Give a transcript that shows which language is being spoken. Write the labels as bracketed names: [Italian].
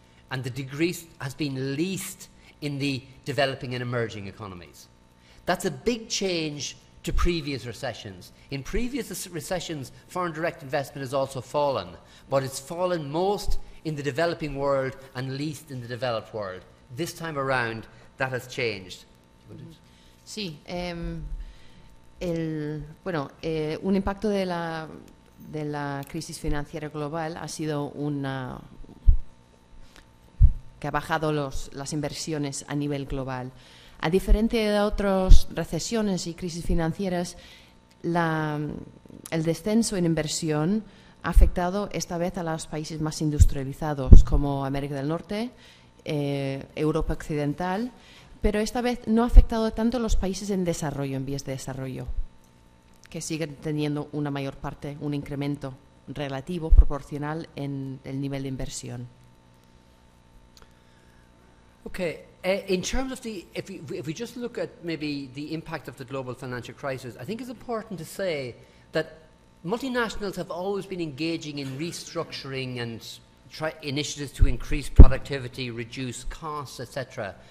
[English] and the degree has been least in the developing and emerging economies. That's a big change to previous recessions. In previous recessions, foreign direct investment has also fallen, but it's fallen most in the developing world and least in the developed world. This time around, that has changed. [Spanish] Sí, un impacto de la crisis financiera global ha sido una que ha bajado las inversiones a nivel global. A diferencia de otras recesiones y crisis financieras, el descenso en inversión ha afectado esta vez a los países más industrializados, como América del Norte, Europa Occidental, pero esta vez no ha afectado tanto a los países en desarrollo, en vías de desarrollo, que siguen teniendo una mayor parte, un incremento relativo, proporcional en el nivel de inversión. [English] Okay. In terms of if we just look at maybe the impact of the global financial crisis, I think it's important to say that multinationals have always been engaging in restructuring and initiatives to increase productivity, reduce costs, etc.